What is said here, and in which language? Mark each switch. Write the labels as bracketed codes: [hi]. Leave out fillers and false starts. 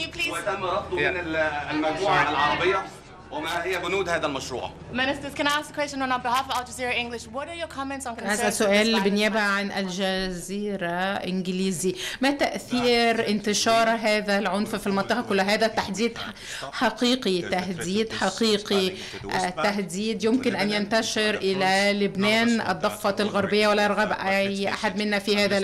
[ar] وتم رده من المجموعة العربية وما هي بنود هذا المشروع؟ [en] Ministers, can I ask a question on behalf of Al Jazeera English? What are your comments on concerns? [ar] هذا سؤال بالنيابة عن الجزيرة إنجليزي. ما تأثير انتشار هذا العنف في المنطقة كلها؟ هذا تهديد حقيقي، تهديد حقيقي، تهديد يمكن أن ينتشر إلى لبنان، الضفة الغربية، ولا يرغب أي أحد منا في هذا.